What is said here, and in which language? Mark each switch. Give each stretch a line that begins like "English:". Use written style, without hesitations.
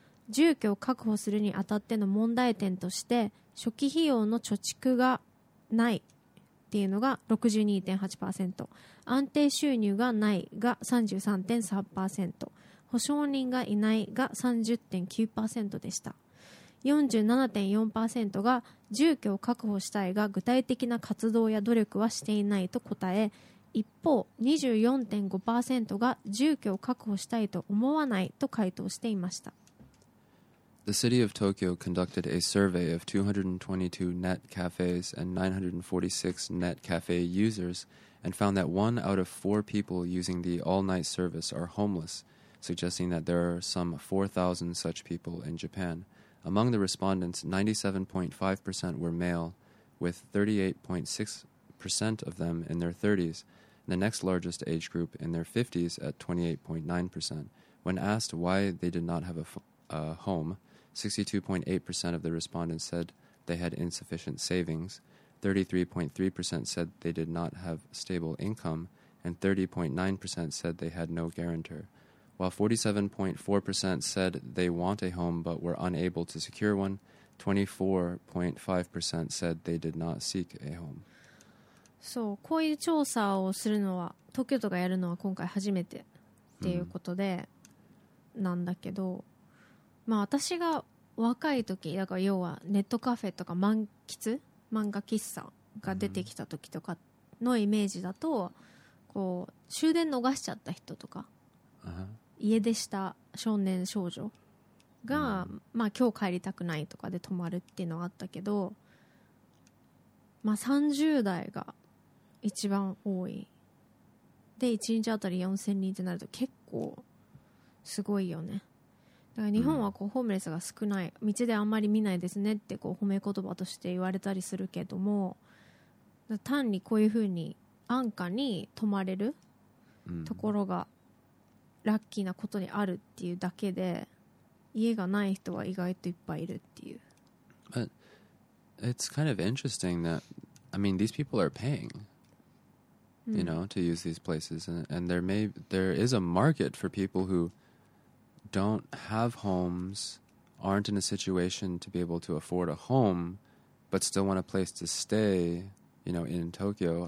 Japanese: 住居を確保するにあたっての問題点として、初期費用の貯蓄がないっていうのが 62.8%、安定収入がないが 33.3%、保証人がいないが 30.9% でした。 47.4% が住居を確保したいが具体的な活動や努力はしていないと答え、一方 24.5% が住居を確保したいと思わないと回答していました。
English: The city of Tokyo conducted a survey of 222 net cafes and 946 net cafe users and found that one out of four people using the all-night service are homeless, suggesting that there are some 4,000 such people in Japan. Among the respondents, 97.5% were male, with 38.6% of them in their 30s, and the next largest age group in their 50s at 28.9%. When asked why they did not have a home, 62.8% of the respondents said they had insufficient savings, 33.3% said they did not have stable income, and 30.9% said they had no guarantor, while 47.4% said they want a home but were unable to secure one, 24.5% said they did not seek a home.
Japanese: そう、こういう調査をするのは、東京都がやるのは今回初めてっていうことで、なんだけど、まあ私が若い時だから、要はネットカフェとか漫画喫茶が出てきた時とかのイメージだと、こう終電逃しちゃった人とか、家出した少年少女が、まあ今日帰りたくないとかで泊まるっていうのはあったけど、まあ30代が一番多いで、1日あたり4000人ってなると結構すごいよね。だから日本はこうホームレスが少ない、道であんまり見ないですねってこう褒め言葉として言われたりするけども、単にこういうふうに安価に泊まれるところがラッキーなことにあるっていうだけで、家がない人は意外といっぱいいるっていう。
English: But it's kind of interesting that, I mean, these people are paying, you know, to use these places, and there is a market for people whoDon't have homes, aren't in a situation to be able to afford a home, but still want a place to stay, you know, in Tokyo.